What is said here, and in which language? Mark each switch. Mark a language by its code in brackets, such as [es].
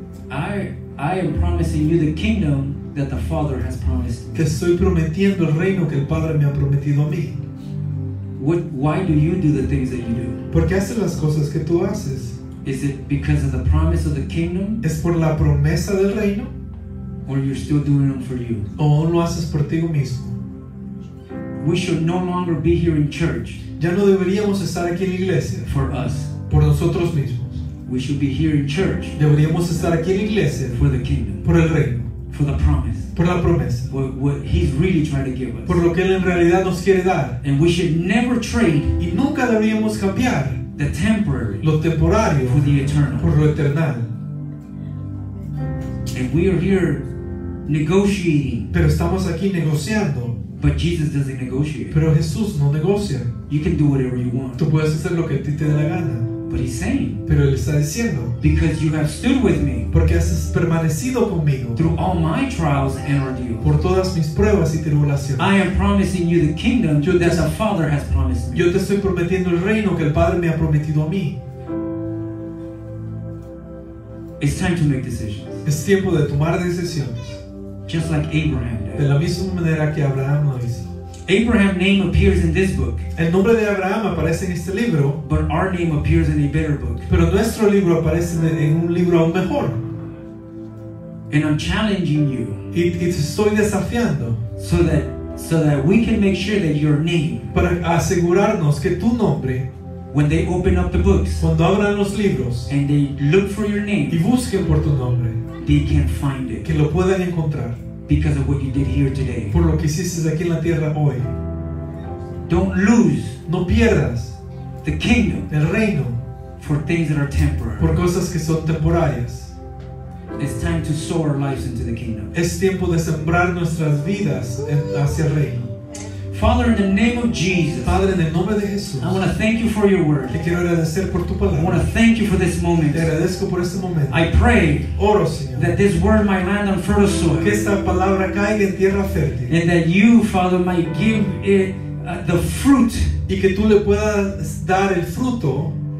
[en] I am promising you the kingdom that the Father has promised. [es] Te estoy prometiendo el reino que el Padre me ha prometido a mí. [en] What? Why do you do the things that you do? [es] ¿Por qué haces las cosas que tú haces? [en] Is it because of the promise of the kingdom? [es] ¿Es por la promesa del reino? [en] Or you're still doing them for you? [es] ¿O lo haces por ti mismo? [en] We should no longer be here in church. [es] Ya no deberíamos estar aquí en la iglesia. [en] For us. [es] Por nosotros mismos. [en] We should be here in church. [es] Deberíamos estar aquí en la iglesia. [en] For the kingdom. [es] Por el reino. [en] For the promise. [es] Por la promesa. [en] What he's really trying to give us. [es] Por lo que él en realidad nos quiere dar. [en] And we should never trade. [es] Y nunca deberíamos cambiar. [en] The temporary. [es] Lo temporario. [en] For the eternal. [es] Por lo eternal. [en] And we are here negotiating. [es] Pero estamos aquí negociando. [en] But Jesus doesn't negotiate. [es] Pero Jesús no negocia. [en] You can do whatever you want. [es] Tú puedes hacer lo que a ti te dé la gana. [en] But he's saying, [es] pero él está diciendo, [en] because you have stood with me, [es] porque has permanecido conmigo, [en] through all my trials and ordeals, [es] por todas mis pruebas y tribulaciones, [en] I am promising you the kingdom that the Father has promised me. [es] Yo te estoy prometiendo el reino que el Padre me ha prometido a mí. [en] It's time to make decisions. [es] Es tiempo de tomar decisiones. [en] Just like Abraham did. [es] De la misma manera que Abraham lo hizo. [en] Abraham's name appears in this book. [es] El nombre de Abraham aparece en este libro. [en] But our name appears in a better book. [es] Pero nuestro libro aparece en un libro aún mejor. [en] And I'm challenging you. [es] Y te estoy desafiando. [en] So that we can make sure that your name. [es] Para asegurarnos que tu nombre. [en] When they open up the books. [es] Cuando abran los libros. [en] And they look for your name. [es] Y busquen por tu nombre. [en] They can find it. [es] Que lo puedan encontrar. [en] Because of what you did here today. [es] Por lo que hiciste aquí en la tierra hoy. [en] Don't lose. [es] No pierdas. [en] The kingdom. [es] El reino. [en] For things that are temporary. [es] Por cosas que son temporarias. [en] It's time to sow our lives into the kingdom. [es] Es tiempo de sembrar nuestras vidas hacia el reino. [en] Father, in the name of Jesus, [es] Padre, en el nombre de Jesús, [en] I want to thank you for your word. [es] Te quiero agradecer por tu palabra. [en] I want to thank you for this moment. [es] Te agradezco por este momento. [en] I pray, [es] oro, Señor, [en] that this word might land on fertile soil. [es] Que esta palabra caiga en tierra fértil. [en] And that you, Father, might give it the fruit. [es] Y que tú le puedas dar el fruto.